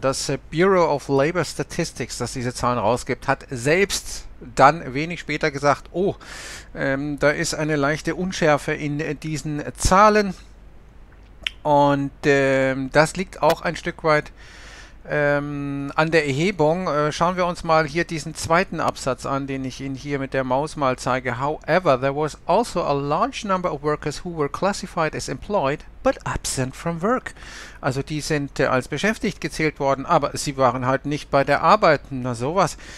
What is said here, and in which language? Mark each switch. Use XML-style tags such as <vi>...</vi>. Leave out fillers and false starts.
<de>Das Bureau of Labor Statistics, das diese Zahlen rausgibt, hat selbst dann wenig später gesagt, oh, da ist eine leichte Unschärfe in diesen Zahlen. Und das liegt auch ein Stück weit an der Erhebung. Schauen wir uns mal hier diesen zweiten Absatz an, den ich Ihnen hier mit der Maus mal zeige.</de> <en>However, there was also a large number of workers who were classified as employed, but absent from work.</en> <de>Also die sind als beschäftigt gezählt worden, aber sie waren halt nicht bei der Arbeit. Na sowas.</de>